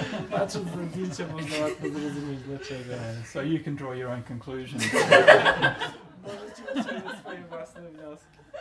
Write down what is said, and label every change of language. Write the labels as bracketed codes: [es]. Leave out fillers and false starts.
[pl] Patrząc na zdjęcie, można łatwo zrozumieć dlaczego. [en] So you can draw your own conclusions. [pl] Możecie wyciągnąć swoje własne wnioski.